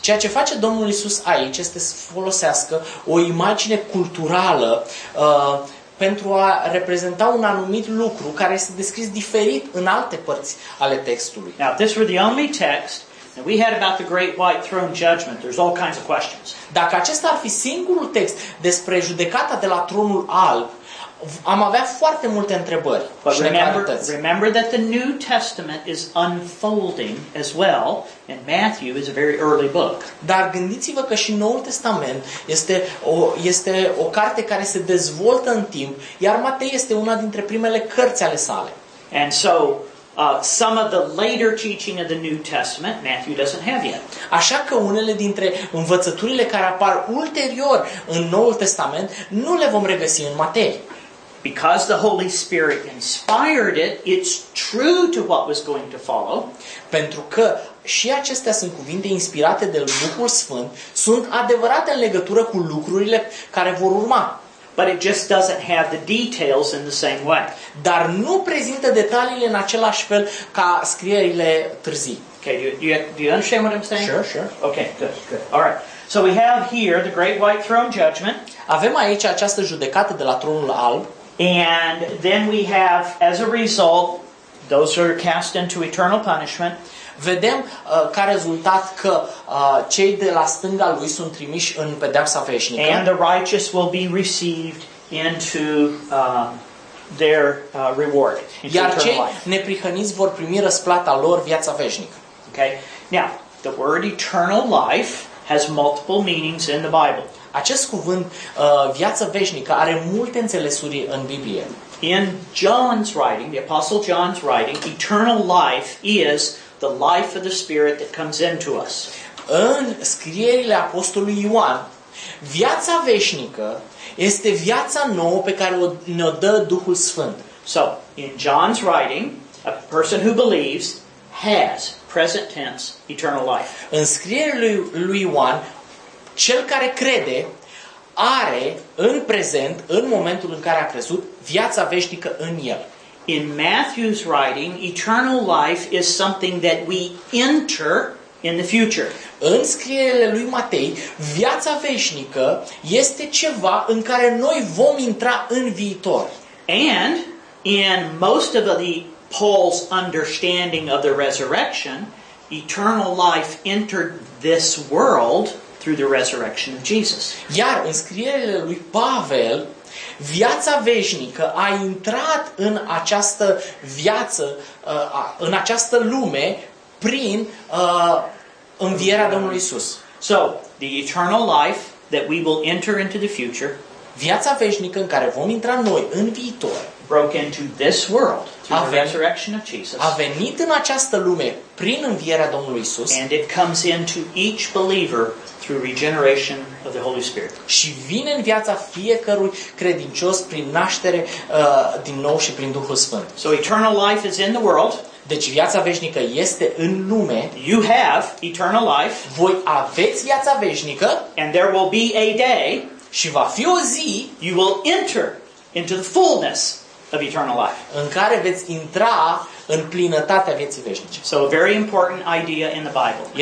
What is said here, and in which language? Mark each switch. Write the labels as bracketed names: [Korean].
[Romanian] Ceea ce face Domnul Iisus aici este să folosească o imagine culturală pentru a reprezenta un anumit lucru care este descris diferit în alte părți ale textului. [English] Now, this were the only text that we had about the great white throne judgment. There's all kinds of questions. [Romanian] Dacă acesta ar fi singurul text despre judecata de la tronul alb, am avea foarte multe întrebări. [English] But remember that the New Testament is unfolding as well, and Matthew is a very early book. [Romanian] Dar gândiți-vă că și Noul Testament este o carte care se dezvoltă în timp, iar Matei este una dintre primele cărți ale sale. [English] And so some of the later teaching of the New Testament Matthew doesn't have yet. [Romanian] Așa că unele dintre învățăturile care apar ulterior în Noul Testament nu le vom regăsi în Matei. [English] Because the Holy Spirit inspired it, it's true to what was going to follow. [Romanian] Pentru că și acestea sunt cuvinte inspirate de Duhul Sfânt, sunt adevărate în legătură cu lucrurile care vor urma. [English] But it just doesn't have the details in the same way. [Romanian] Dar nu prezintă detaliile în același fel ca scrierile târzii. [English] Okay, do you understand what I'm saying? Sure, sure. Okay, good. All right. So we have here the great white throne judgment. [Romanian] Avem aici această judecată de la tronul alb. [English] And then we have, as a result, those who are cast into eternal punishment. [Romanian] Vedem ca rezultat că cei de la stânga lui sunt trimiși în pedeapsa veșnică. [English] And the righteous will be received into their reward. Into [Romanian] iar cei neprihăniți vor primi răsplata lor, viața veșnică. [English] Okay? Now, the word eternal life has multiple meanings in the Bible. [Romanian] Acest cuvânt, viața veșnică, are multe înțelesuri în Biblie. [English] In John's writing, the Apostle John's writing, eternal life is the life of the Spirit that comes into us. [Romanian] În scrierile Apostolului Ioan, viața veșnică este viața nouă pe care ne-o dă Duhul Sfânt. [English] So, in John's writing, a person who believes has present tense eternal life. [Romanian] În scrierile lui Ioan, cel care crede are în prezent, în momentul în care a crezut, viața veșnică în el. [English] In Matthew's writing, eternal life is something that we enter in the future. [Romanian] În scrierile lui Matei, viața veșnică este ceva în care noi vom intra în viitor. [English] And in most of the Paul's understanding of the resurrection, eternal life entered this world through the resurrection of Jesus. [Romanian] Iar în scrierile lui Pavel, viața veșnică a intrat în această viață, în această lume prin învierea Domnului Iisus. [English] So, the eternal life that we will enter into the future, [Romanian] viața veșnică în care vom intra noi în viitor, [English] broke into this world through the resurrection of Jesus. [Romanian] A venit în această lume prin învierea Domnului Iisus. [English] And it comes into each believer through regeneration of the Holy Spirit. [Romanian] Și vine în viața fiecărui credincios prin naștere din nou și prin Duhul Sfânt. [English] So eternal life is in the world. [Romanian] Deci viața veșnică este în lume. [English] You have eternal life. [Romanian] Voi aveți viața veșnică. [English] And there will be a day. [Romanian] Și va fi o zi. [English] You will enter into the fullness of eternal life. [Romanian] În care veți intra în plinătatea vieții veșnice. [English] So a very important idea in the Bible.